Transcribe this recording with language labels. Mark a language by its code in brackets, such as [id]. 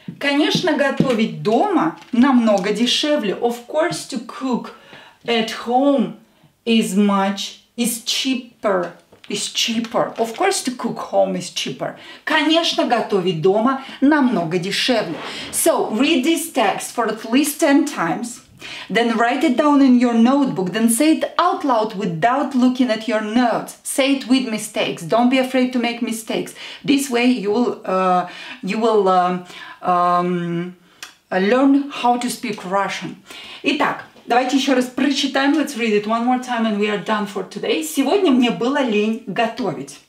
[ru] Конечно, готовить дома намного дешевле. [en] Of course, to cook at home is cheaper. Of course, to cook home is cheaper. [ru] Конечно, готовить дома намного дешевле. [en] So, read this text for at least 10 times. Then write it down in your notebook. Then say it out loud without looking at your notes. Say it with mistakes. Don't be afraid to make mistakes. This way you will learn how to speak Russian. [ru] Итак, давайте еще раз прочитаем. [en] Let's read it one more time and we are done for today. [ru] Сегодня мне было лень готовить.